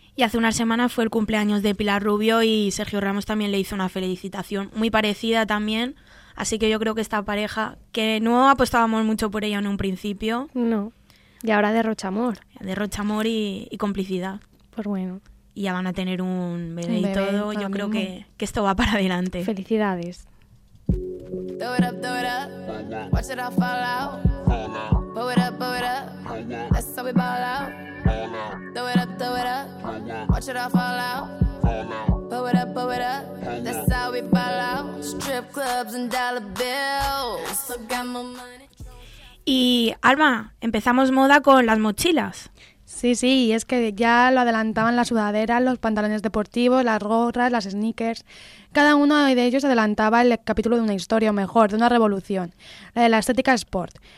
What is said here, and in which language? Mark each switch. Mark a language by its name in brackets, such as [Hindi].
[Spanish] Y hace una semana fue el cumpleaños de Pilar Rubio y Sergio Ramos también le hizo una felicitación muy parecida también, así que yo creo que esta pareja, que no apostábamos mucho por ella en un principio. No, y ahora derrocha amor. Derrocha amor y complicidad. Pues bueno. Y ya van a tener un bebé y todo, yo creo que esto va para adelante. Felicidades. [English] Throw it up, watch it all fall out. Pull it up, that's how we ball out. Throw it up, watch it all fall out. Pull it up, that's how we ball out. Strip clubs and dollar bills. So got my money. [Spanish] Y Alma, empezamos moda con las mochilas. Sí, y es que ya lo adelantaban las sudaderas, los pantalones deportivos, las gorras, las sneakers. Cada uno de ellos adelantaba el capítulo de una historia, o mejor, de una revolución, la de la estética sport.